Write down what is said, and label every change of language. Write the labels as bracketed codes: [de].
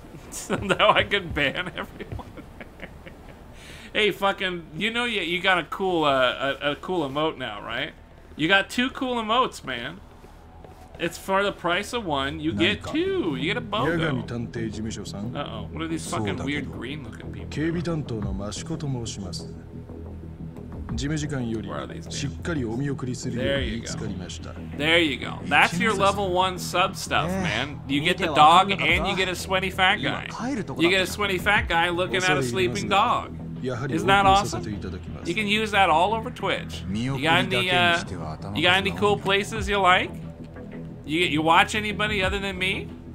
[en] So now I can ban everyone. Hey, fucking, you know you got a cool emote now, right? You got 2 cool emotes, man. It's for the price of 1. You get 2. You get a bogo. Uh-oh. What are these fucking weird green-looking people? [ja] 警備担当のマシコと申します。事務次官よりしっかりお見送りするように見つかりました。 [en] There you go. That's your level 1 sub stuff, man. You get the dog and you get a sweaty fat guy. You get a sweaty fat guy looking at a sleeping dog. Isn't that awesome? You can use that all over Twitch. You got any cool places you like? You watch anybody other than me?